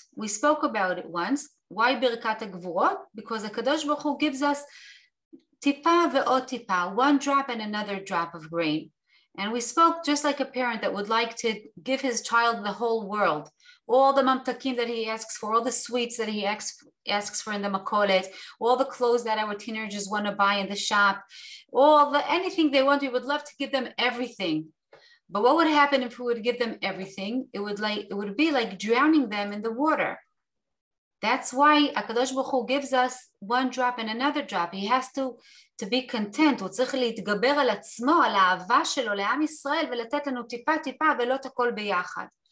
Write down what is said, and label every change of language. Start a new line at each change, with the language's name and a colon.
English: We spoke about it once. Why ברכת הגבורות? Because הקדוש ברוך הוא gives us
Hebrew: טיפה ועוד טיפה,
English: one drop and another drop of grain. And we spoke just like a parent that would like to give his child the whole world, all the ממתקים that he asks for, all the sweets that he asks for in the makolet, all the clothes that our teenagers want to buy in the shop, anything they want, we would love to give them everything. But what would happen if we would give them everything? It would be like drowning them in the water. That's why HaKadosh Baruch Hu gives us one drop and another drop. He has to be content.
Hebrew: הוא צריך להתגבר על עצמו, על האהבה שלו, לעם ישראל, ולתת לנו טיפה טיפה ולא את הכל ביחד.